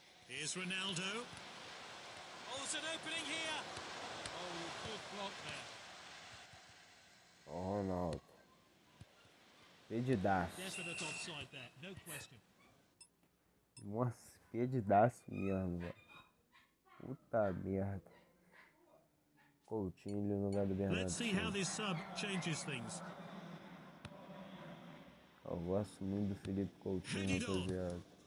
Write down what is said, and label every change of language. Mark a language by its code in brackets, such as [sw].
[en] Here's Ronaldo. Oh, it's an opening here. Oh, good block there. [pt] Oh, Ronaldo. Pedidaço. [en] No question. [pt] Nossa, pedidaço mesmo, velho. Puta merda. Coutinho ali no lugar do Bernardo. [en] Let's see how this sub changes things. [pt] Eu gosto muito do Felipe Coutinho, rapaziada.